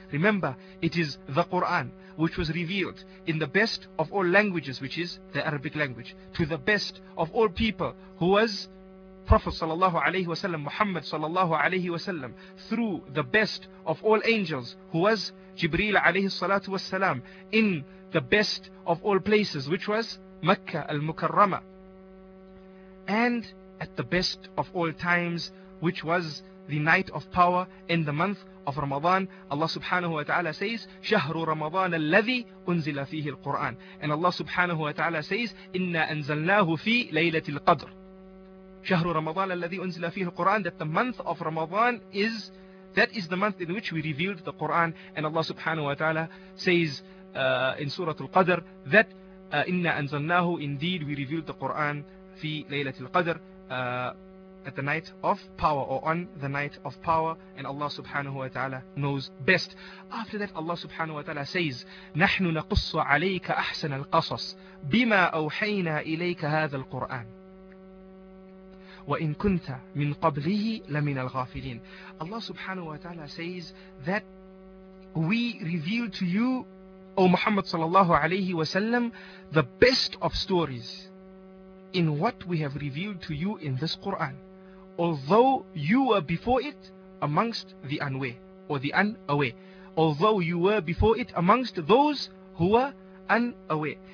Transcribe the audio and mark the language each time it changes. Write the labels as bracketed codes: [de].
[en] Remember, it is the Quran which was revealed in the best of all languages, which is the Arabic language, to the best of all people, who was Prophet sallallahu alayhi wa sallam, Muhammad sallallahu alayhi wa sallam, through the best of all angels, who was Jibreel alayhi salatu wa sallam, in the best of all places, which was Mecca al-Mukarramah, and at the best of all times, which was the night of power in the month of Ramadan. Allah subhanahu wa ta'ala says, [ar] شَهْرُ رَمَضَانَ الَّذِي أُنزِلَ فِيهِ الْقُرْآنِ. [en] And Allah subhanahu wa ta'ala says, [ar] إِنَّا أَنزَلْنَاهُ فِي لَيْلَةِ الْقَدْرِ. شَهْرُ رَمَضَانَ الَّذِي أُنزِلَ فِيهِ الْقُرْآنِ, [en] that the month of Ramadan is, that is the month in which we revealed the Quran. And Allah subhanahu wa ta'ala says in Surah Al-Qadr that [ar] إِنَّا أَنزَلْنَاهُ, [en] indeed we revealed the Quran [ar] في ليلة القدر, [en] at the night of power, or on the night of power, and Allah subhanahu wa ta'ala knows best. After that, Allah subhanahu wa ta'ala says, [ar] نَحْنُ نَقُصُّ عَلَيْكَ أَحْسَنَ الْقَصَصِ بِمَا أَوْحَيْنَا إِلَيْكَ هَذَا الْقُرْآنِ وَإِنْ كُنْتَ مِنْ قَبْلِهِ لَمِنَ الْغَافِلِينَ. [en] Allah subhanahu wa ta'ala says that we reveal to you, O Muhammad sallallahu alayhi wa sallam, the best of stories in what we have revealed to you in this Quran, although you were before it amongst the unaware or the unaware, although you were before it amongst those who were unaware.